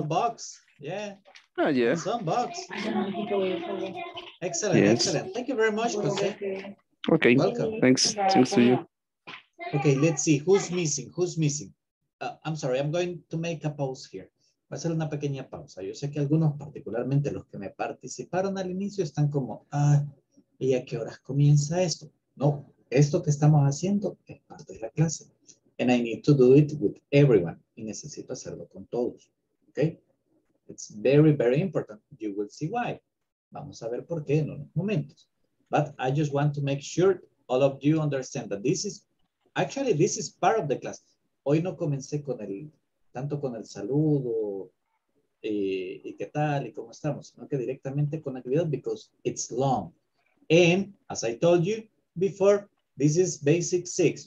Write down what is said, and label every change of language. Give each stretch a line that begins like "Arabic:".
English: Some bucks, yeah. Oh, yeah. Some bucks. Excellent, yes. excellent. Thank you very much, Jose. Okay, welcome. Thanks to you. Okay, let's see, who's missing? I'm sorry, I'm going to make a pause here.
Spanish: Va a ser una pequeña pausa. Yo sé que algunos, particularmente los que me participaron al inicio, están como, ¿y a qué horas comienza esto? No, esto que estamos haciendo es parte de la clase.
English: And I need to do it with everyone.
Spanish: Y necesito hacerlo con todos.
English: Okay? It's very, very important. You will see why.
Spanish: Vamos a ver por qué en unos momentos.
English: But I just want to make sure all of you understand that this is part of the class.
Spanish: Hoy no comencé con el, tanto con el saludo y qué tal y cómo estamos, sino que directamente con actividad
English: because it's long. And as I told you before, this is basic six.